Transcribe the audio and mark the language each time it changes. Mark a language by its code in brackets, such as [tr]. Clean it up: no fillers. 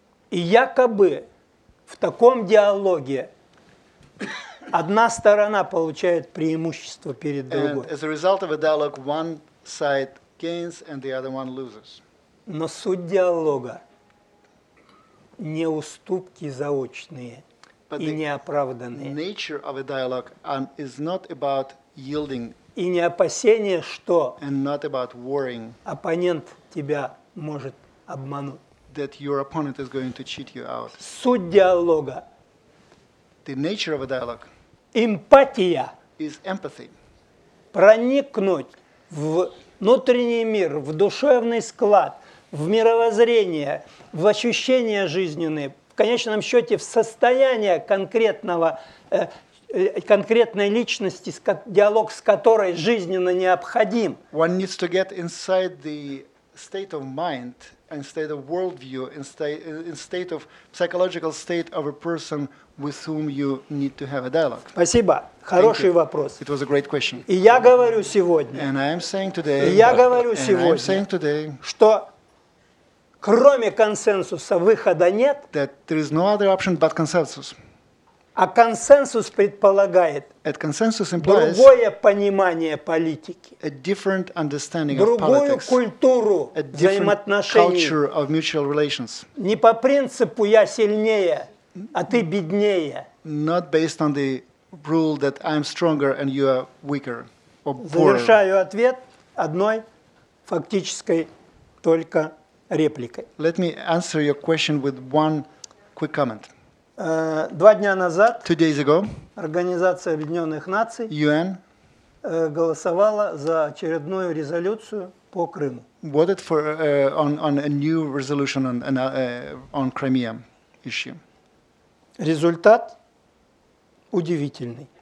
[ru] И якобы в таком диалоге одна сторона получает преимущество перед другой. [en] And as a result of a dialogue, one side gains and the other one loses. [ru] Но суть диалога не уступки заочные и неоправданные. [en] Nature of a dialogue and is not about yielding. [ru] И не опасение, что [en] and not about worrying. [ru] Оппонент тебя может обмануть. [en] That your opponent is going to cheat you out. [ru] Суть диалога. [en] The nature of a dialogue. [ru] Эмпатия. [en] Is empathy. [ru] Проникнуть в внутренний мир, в душевный склад, в мировоззрение, в ощущения жизненные, в конечном счете в состояние конкретного, конкретной личности, диалог с которой жизненно необходим. [en] One needs to get inside the state of mind, instead of worldview, instead of psychological state of a person with whom you need to have a dialogue. [ru] Спасибо. Хороший вопрос. [en] It was a great question. [ru] И я говорю сегодня. [en] And I am saying today. [ru] Я говорю сегодня. [en] I am saying today. [ru] Что кроме консенсуса выхода нет. [en] That there is no other option but consensus. [ru] А консенсус предполагает [en] at consensus implies [ru] другое понимание политики, [en] a different understanding [ru] другую [en] of politics, [ru] культуру [en] a different [ru] взаимоотношений, [en] culture of mutual relations. [ru] Не по принципу «я сильнее, а ты беднее». [en] Not based on the rule that I'm stronger and you are weaker or poorer. [ru] Завершаю ответ одной фактической только репликой. [en] Let me answer your question with one quick comment. [ru] Два дня назад [en] two days ago, [ru] Организация Объединенных Наций [en] UN, [ru] голосовала за очередную резолюцию по Крыму. [en] Voted for on a new resolution on Crimea issue. [ru] Результат удивительный.